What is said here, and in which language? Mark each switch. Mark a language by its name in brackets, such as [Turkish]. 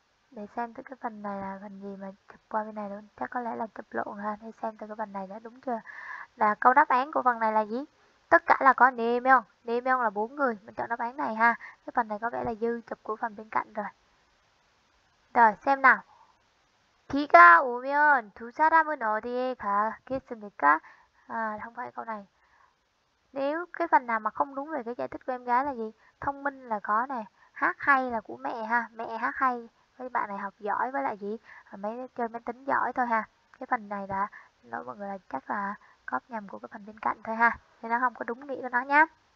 [Vietnamese] Để xem từ cái phần này là phần gì mà chụp qua bên này luôn. Chắc có lẽ là chụp lộn ha. Để xem từ cái phần này đã đúng chưa. Là câu đáp án của phần này là gì? Tất cả là có nê meo, nê meo là 4 người, mình chọn đáp án này ha. Cái phần này có vẻ là dư chụp của phần bên cạnh rồi. Rồi, xem nào. [Korean] 비가 오면 두 사람은 어디에 가겠습니까? [Vietnamese] À, không phải câu này. Nếu cái phần nào mà không đúng về cái giải thích của em gái là gì? Thông minh là có nè, hát hay là của mẹ ha, mẹ hát hay, với bạn này học giỏi với lại gì? Mấy chơi máy tính giỏi thôi ha. Cái phần này là lỗi mọi người là chắc là cóp nhầm của cái phần bên cạnh thôi ha, thì nó không có đúng nghĩa của nó nhé.